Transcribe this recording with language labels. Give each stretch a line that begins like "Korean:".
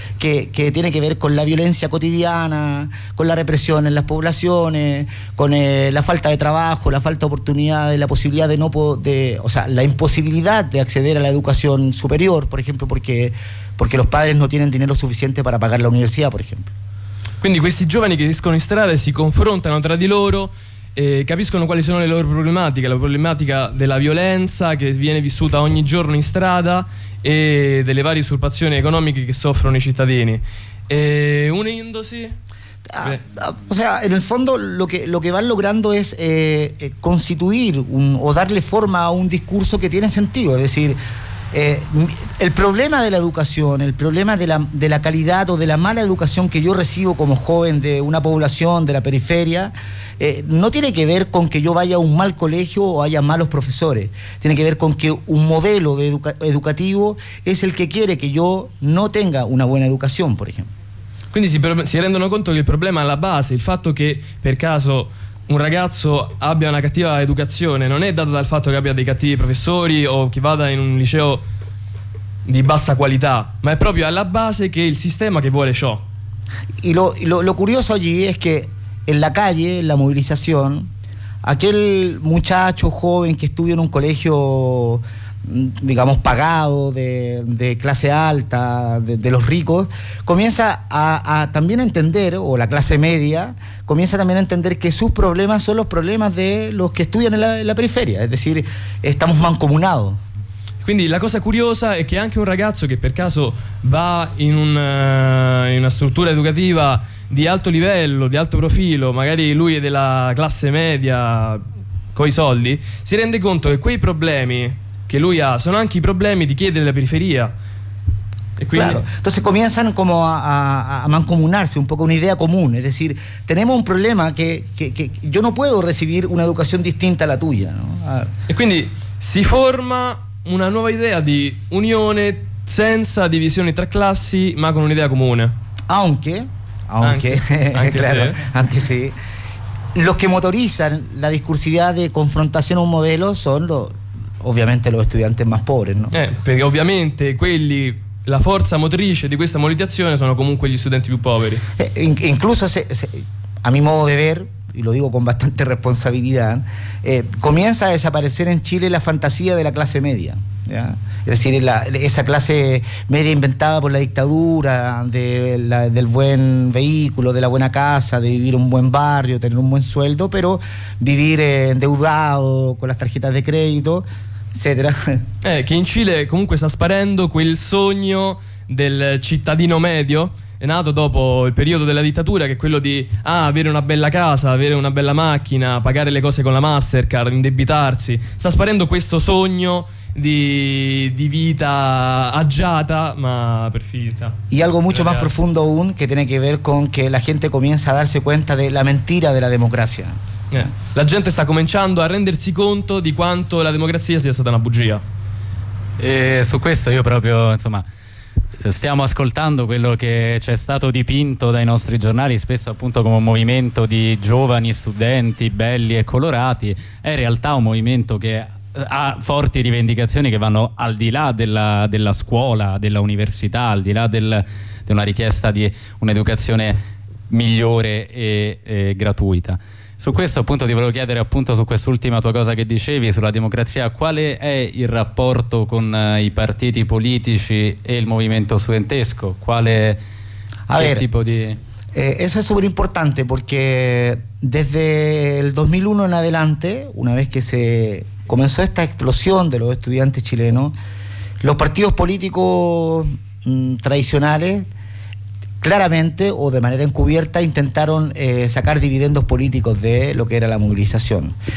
Spanish: tiene que ver con la violencia cotidiana, con la represión en las poblaciones, con la falta de trabajo, la falta de oportunidades, la posibilidad la imposibilidad de acceder a la educación superior, por ejemplo, porque los padres no tienen dinero suficiente para pagar la universidad, por ejemplo.
Italian: Quindi questi giovani che escono in strada si confrontano tra di loro, capiscono quali sono le loro problematiche, la problematica della violenza che viene vissuta ogni giorno in strada e delle varie usurpazioni economiche che soffrono i cittadini. Unendosi.
Spanish: O sea, en el fondo lo que van logrando es constituir o darle forma a un discurso que tiene sentido, es decir. El problema de la educación, el problema de la calidad o de la mala educación que yo recibo como joven de una población de la periferia, no tiene que ver con que yo vaya a un mal colegio o haya malos profesores. Tiene que ver con que un modelo de educativo es el que quiere que yo no tenga una buena educación, por ejemplo.
Italian: Quindi si rendono conto che il problema alla base, il fatto che per caso un ragazzo abbia una cattiva educazione, non è dato dal fatto che abbia dei cattivi professori o che vada in un liceo di bassa qualità, ma è proprio alla base che il sistema che vuole ciò.
Spanish: Y lo curioso allí es que en la calle, en la movilización, aquel muchacho joven que estudia en un colegio, digamos, pagado, de clase alta, de los ricos, comienza a también entender, o la clase media, comienza también a entender que sus problemas son los problemas de los que estudian en la periferia, es decir, estamos mancomunados.
Italian: Quindi la cosa curiosa è che anche un ragazzo che per caso va in una struttura educativa di alto livello, di alto profilo, magari lui è della classe media, coi soldi, si rende conto che quei problemi que lui ha son anche i problemi di chi è della periferia. E quindi...
Spanish: Claro. Entonces comienzan como a mancomunarse un poco, una idea común, es decir, tenemos un problema que yo no puedo recibir una educación distinta a la tuya, ¿no?
Italian: E quindi si forma una nuova idea di unione senza divisioni tra classi, ma con un'idea comune.
Spanish: Aunque sí. Los que motorizan la discursividad de confrontación a un modelo son
Italian: ovviamente
Spanish: los estudiantes más pobres, ¿no?
Italian: Perché ovviamente quelli, la forza motrice di questa mobilitazione sono comunque gli studenti più poveri.
Spanish: Incluso a mi modo de ver, y lo digo con bastante responsabilidad, comienza a desaparecer en Chile la fantasía de la clase media, ¿ya? Es decir, esa clase media inventada por la dictadura del buen vehículo, de la buena casa, de vivir en un buen barrio, tener un buen sueldo, pero vivir endeudado con las tarjetas de crédito, etcétera.
Italian: Che in Cile comunque sta sparendo quel sogno del cittadino medio, è nato dopo il periodo della dittatura, che è quello di avere una bella casa, avere una bella macchina, pagare le cose con la Mastercard, indebitarsi. Sta sparendo questo sogno di vita agiata, ma per finta.
Spanish: Y algo mucho más profundo aún, que tiene que ver con que la gente comienza a darse cuenta de la mentira de la democracia.
Italian: La gente sta cominciando a rendersi conto di quanto la democrazia sia stata una bugia. E su questo io proprio, insomma, se stiamo ascoltando quello che c'è stato dipinto dai nostri giornali, spesso appunto come un movimento di giovani studenti belli e colorati, è in realtà un movimento che ha forti rivendicazioni che vanno al di là della scuola, dell'università, al di là di una richiesta di un'educazione migliore e gratuita. Su questo appunto ti volevo chiedere, appunto su quest'ultima tua cosa che dicevi sulla democrazia, quale è il rapporto con i partiti politici e il movimento studentesco? Quale tipo di...
Spanish: Eso es súper importante, porque desde el 2001 en adelante, una vez que se comenzó esta explosión de los estudiantes chilenos, los partidos políticos tradicionales claramente o de manera encubierta intentaron sacar dividendos políticos de lo que era la movilización.